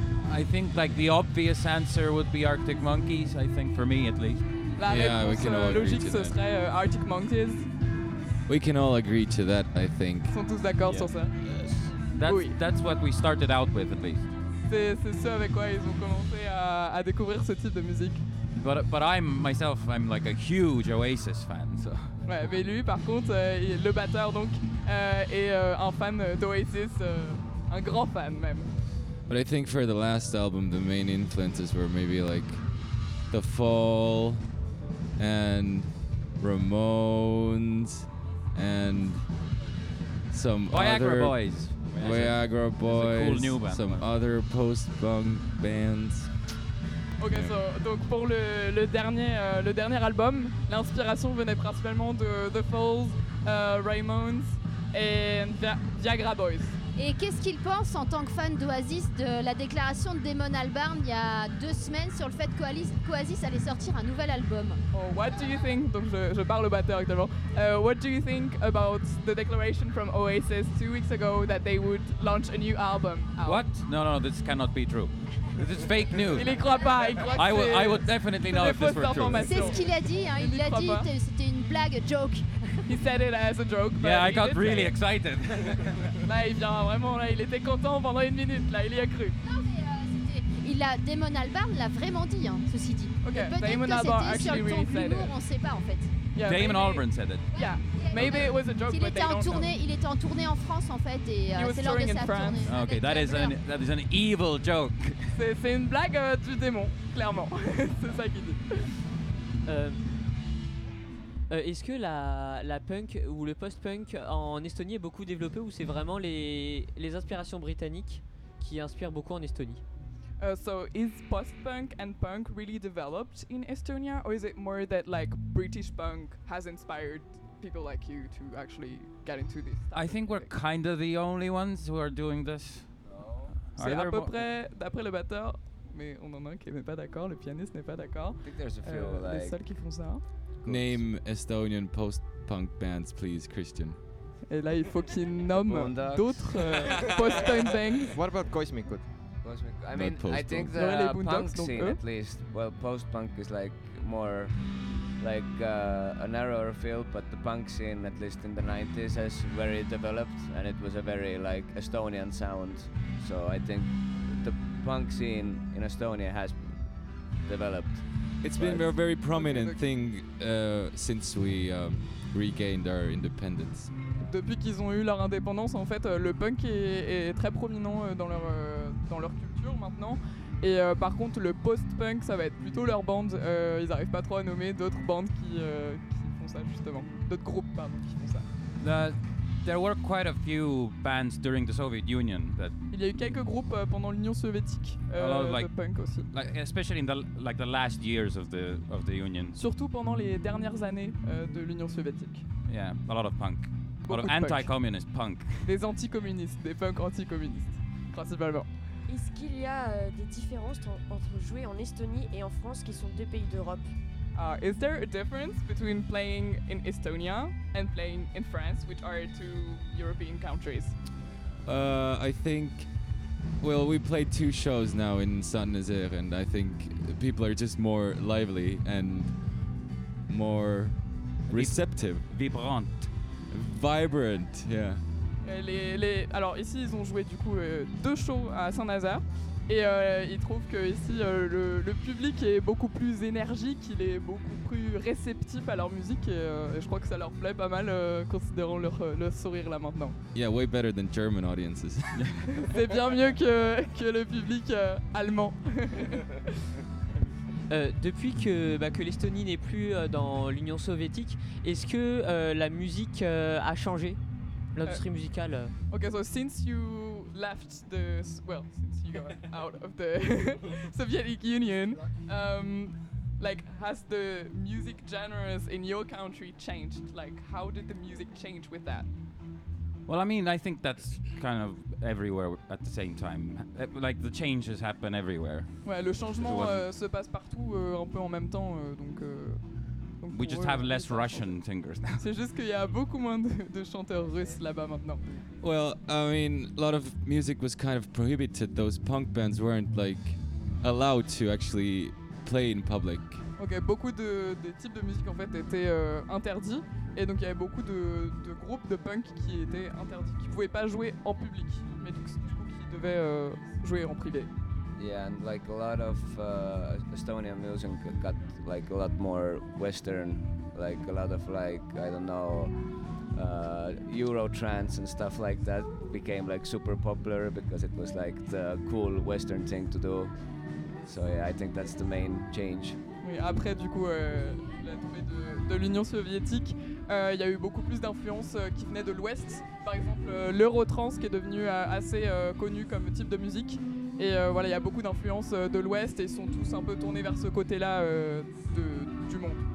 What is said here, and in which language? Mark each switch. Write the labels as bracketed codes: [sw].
[en] I think like the obvious answer would be Arctic Monkeys, I think for me at least. Arctic Monkeys. We can all agree to that, I think. [fr] Sont tous d'accord sur ça? [en] Yes. That's what we started out with at least. [fr] C'est ce avec quoi ils ont commencé à découvrir ce type de musique. [en] But I'm like a huge Oasis fan, so. [fr] Ouais, mais lui, par contre, le batteur, donc, est un fan d'Oasis, un grand fan même. [en] But I think for the last album, the main influences were maybe like The Fall and Ramones and some Viagra Boys, cool new band, some other post-punk bands. Ok, yeah. [fr] Donc pour le dernier album, l'inspiration venait principalement de The Falls, Raymonds et Viagra Boys. Et qu'est-ce qu'il pense en tant que fan d'Oasis de la déclaration de Damon Albarn il y a 2 semaines sur le fait qu'Oasis allait sortir un nouvel album? [en] Oh, what do you think? [fr] Donc je parle au batteur actuellement. [en] What do you think about the declaration from Oasis 2 weeks ago that they would launch a new album? Out? What? No, this cannot be true. This is fake news. [fr] Il y croit pas, il croit [en] I, will, I would definitely know if this were true. [fr] C'est ce qu'il a dit, hein. Il a dit que c'était une blague, [en] a joke. He said it as a joke. Yeah, I got really excited. [fr] Là, il vient vraiment, là, il était content pendant une minute, là, il y a cru. Non, mais Damon Albarn l'a vraiment dit, hein, ceci dit. [en] Okay, [fr] peut-être [en] Damon [fr] que [en] Albarn [fr] c'était sur le ton [en] really [fr] de l'humour, on sait pas, en fait. [en] Yeah, Damon Albarn said it. Yeah. Maybe it was a joke, but they don't know. [fr] Il était en tournée en France, en fait, et c'est lors de sa tournée. [en] Okay, that is an evil joke. [fr] C'est une blague du démon, clairement. C'est ça qu'il dit. Est-ce que la punk ou le post-punk en Estonie est beaucoup développé ou c'est vraiment les inspirations britanniques qui inspirent beaucoup en Estonie? [en] So is post-punk and punk really developed in Estonia or is it more that like British punk has inspired people like you to actually get into this? I think we're kind of the only ones who are doing this. No. [fr] C'est à peu près d'après le batteur, mais on en a un qui n'est pas d'accord, le pianiste n'est pas d'accord. [en] I think there's a few [fr] les seuls qui font ça. [en] Name Estonian post-punk bands, please, Christian. [fr] Et là, il faut qu'il nomme d'autres [en] post-punk bands. What about Koismikut? I mean, I think the punk scene, at least. Well, post-punk is like more like a narrower field, but the punk scene, at least in the 90s, has very developed, and it was a very like Estonian sound. So I think the punk scene in Estonia has developed. It's been a very prominent thing since we regained our independence. [fr] Depuis qu'ils ont eu leur indépendance, en fait, le punk est très prominent dans leur culture maintenant. Et par contre, le post-punk, ça va être plutôt leur bande. Ils n'arrivent pas trop à nommer d'autres bandes qui font ça justement, d'autres groupes pardon qui font ça. [en] There were quite a few bands during the Soviet Union that. [fr] Il y a eu quelques groupes pendant l'Union soviétique de punk aussi. [en] Like especially in the last years of the Union. [fr] Surtout pendant les dernières années de l'Union soviétique. [en] Yeah, a lot of punk. [fr] Beaucoup [en] a lot of anti-communist punk. [fr] Des anti-communistes, des punks anti-communistes principalement. Est-ce qu'il y a des différences entre jouer en Estonie et en France, qui sont deux pays d'Europe? [en] Is there a difference between playing in Estonia and playing in France, which are two European countries? I think, well, we played two shows now in Saint-Nazaire, and I think people are just more lively and more receptive. Vibrant. Vibrant, yeah. [fr] Alors ici, ils ont joué du coup deux shows à Saint-Nazaire. Et ils trouvent que ici le public est beaucoup plus énergique, il est beaucoup plus réceptif à leur musique et je crois que ça leur plaît pas mal considérant leur sourire là maintenant. [en] Yeah, way better than German audiences. [fr] C'est bien mieux que le public allemand. Depuis que l'Estonie n'est plus dans l'Union soviétique, est-ce que la musique a changé, l'industrie musicale? [en] Okay, so since you left the, well, since you got out of the Soviet Union, like, has the music genres in your country changed? Like, how did the music change with that? Well, I mean, I think that's kind of everywhere at the same time. Like, the changes happen everywhere. [fr] Ouais, le changement se passe partout un peu en même temps, donc... [en] We just have less Russian singers now. [fr] C'est juste qu'il y a beaucoup moins de chanteurs russes là-bas maintenant. [en] Well, I mean, a lot of music was kind of prohibited. Those punk bands weren't like allowed to actually play in public. [fr] Okay, beaucoup de types de musique en fait étaient interdits, et donc il y avait beaucoup de groupes de punk qui étaient interdits, qui pouvaient pas jouer en public, mais du coup qui devaient jouer en privé. [en] Yeah, and like a lot of Estonian music got like a lot more Western, like a lot of like, I don't know, Eurotrance and stuff like that became like super popular because it was like the cool Western thing to do. So yeah, I think that's the main change. [fr] Oui, après du coup la tombée de l'Union soviétique, il y a eu beaucoup plus d'influences qui venaient de l'Ouest. Par exemple, l'Eurotrance qui est devenu assez connu comme type de musique. Et voilà, il y a beaucoup d'influences de l'Ouest et ils sont tous un peu tournés vers ce côté-là du monde.